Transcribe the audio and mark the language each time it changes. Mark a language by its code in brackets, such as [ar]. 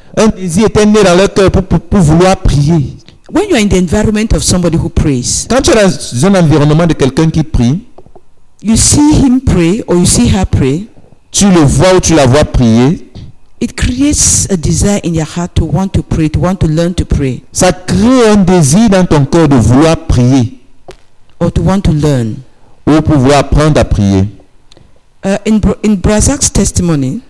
[fr] Un désir était né dans leur cœur pour vouloir prier. [en] When you are in the environment of somebody who prays, [fr] quand tu es dans un environnement de quelqu'un qui prie, [en] you see him pray or you see her pray, [fr] tu le vois ou tu la vois prier, [en] it creates a desire in your heart to want to pray, to want to learn to pray. [fr] Ça crée un désir dans ton cœur de vouloir prier, [en] or to want to learn, [fr] ou pour vouloir apprendre à prier. [en] In Brother Zach's testimony,